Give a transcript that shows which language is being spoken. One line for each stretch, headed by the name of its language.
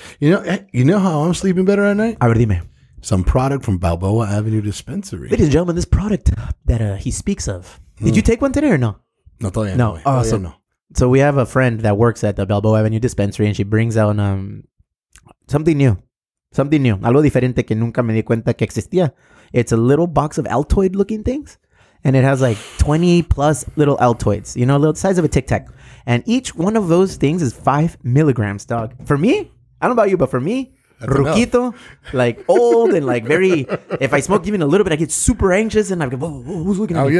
English: You know how I'm sleeping better at night?
Spanish: A ver, dime.
English: Some product from Balboa Avenue Dispensary. Ladies and gentlemen, this product that he speaks of. Did you take one today or no?
Spanish: No, todavía
English: no. Awesome. No. So we have a friend that works at the Balboa Avenue Dispensary, and she brings out something new. Something new.
Spanish: Algo diferente que nunca me di cuenta que existía.
English: It's a little box of Altoid looking things. And it has like 20 plus little Altoids. You know, little size of a Tic Tac. And each one of those things is 5 milligrams, dog. For me, I don't know about you, but for me, that's Ruquito, enough. Like old and like very, if I smoke even a little bit, I get super anxious and I'm like, whoa, who's looking at me?